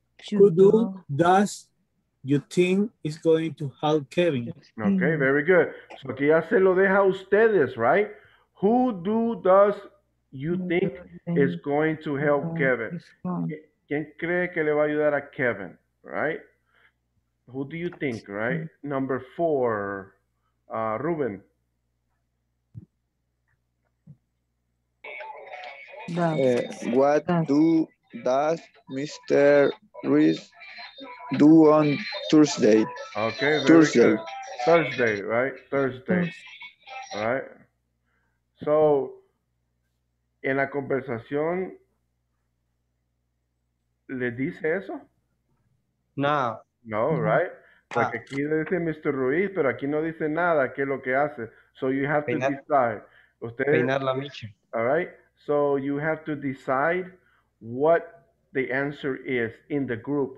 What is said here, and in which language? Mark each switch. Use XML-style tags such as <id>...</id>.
<en>Who does you think is going to help Kevin?</en> <es>Okay, very good. So aquí ya se lo deja a ustedes, right?</es> <en>Who does you think is going to help Kevin?</en> <es>¿Quién cree que le va a ayudar a Kevin?</es> <en>Right? Who do you think, right? Number four, Ruben. What does Mr. Reese do on Thursday? Okay, very Thursday. Good. Thursday, right? Thursday. All right.</en> <es>So, en la conversación, ¿le dice eso? No. No, mm-hmm. Right? Porque aquí le dice Mr. Ruiz, pero aquí no dice nada, qué es lo que hace.</es> <en>So, you have to decide.</en> <es>Ustedes, peinar la micha.</es> <en>All right. So you have to decide what the answer is in the group.</en>